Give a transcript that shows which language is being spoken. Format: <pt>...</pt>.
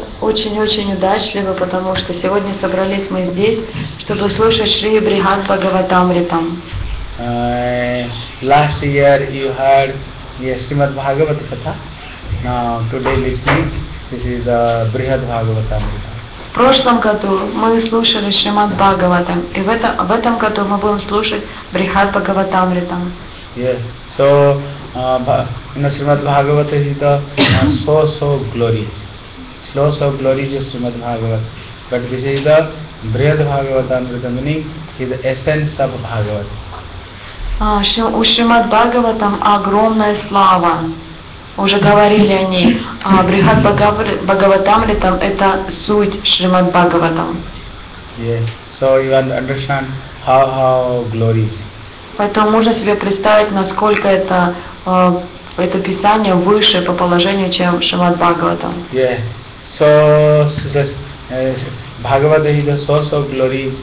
<ru>очень-очень удачливы, потому что сегодня собрались мы здесь, чтобы слушать Шри Бригад Бхагаватамритам.</ru> <en>Last year you heard the Srimad Bhagavata Katha. Now today listening, this is the Brihad Bhagavatamrita.</en> <ru>В прошлом году мы слушали Шримад Бхагаватам, и в этом году мы будем слушать Брихад Бхагаватамритам.</ru> <en>Yes, so Шримад Бхагавата is the source of glories. Source of glories is Шримад Бхагавата. But this is the Брихад Бхагаватамрита, meaning is the essence of Бхагавата.</en> <ru>У Шримад Бхагаватам огромная слава. Уже говорили они, а Брихад Бхагаватамритам это суть Шримад Бхагаватам.</ru> <en>Yes, so you understand how glorious.</en> <ru>Поэтому можно себе представить, насколько это писание выше по положению, чем Шримад Бхагаватам.</ru> <en>Yes, so this Bhagavata is the source of glories.</en>